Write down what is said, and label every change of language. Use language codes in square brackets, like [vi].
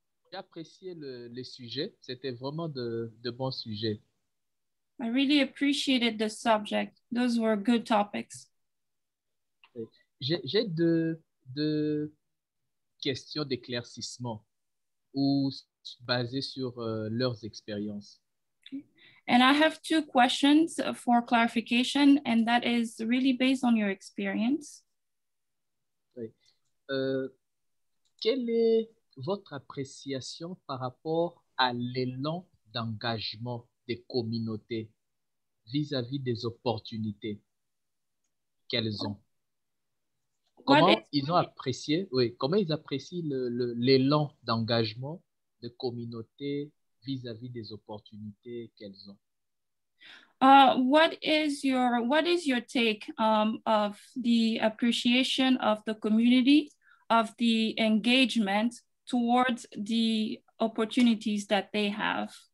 [fr] J'ai apprécié le sujet. C'était vraiment de bons sujets. [en] I really appreciated the subject. Those were good topics. [fr] J'ai deux questions d'éclaircissement ou basées sur leurs expériences. [en] And I have two questions for clarification, and that is really based on your experience. [fr] Oui. Quelle est votre appréciation par rapport à l'élan d'engagement des communautés vis-à-vis des opportunités qu'elles ont? Comment ils apprécient l'élan d'engagement de communautés vis-à-vis des opportunités qu'elles ont? [en] What is your take of the appreciation of the community of the engagement towards the opportunities that they have?